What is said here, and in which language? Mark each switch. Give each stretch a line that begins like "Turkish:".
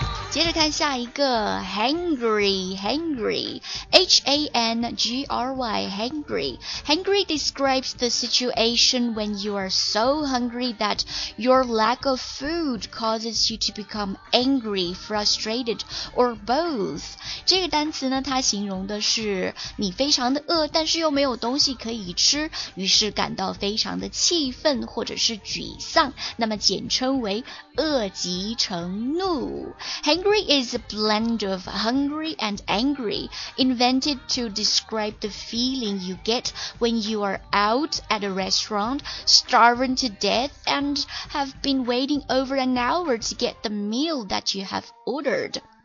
Chinese: 接着看下一个
English: hangry， hangry， H-A-N-G-R-Y， hangry， hangry describes the situation when you are so hungry that your lack of food causes you to become angry, frustrated, or both。
Chinese: 这个单词呢，它形容的是你非常的饿，但是又没有东西可以吃，于是感到非常的气愤或者是沮丧，那么简称为饿极成怒。
English: Hangry is a blend of hungry and angry, invented to describe the feeling you get when you are out at a restaurant, starving to death, and have been waiting over an hour to get the meal that you have ordered.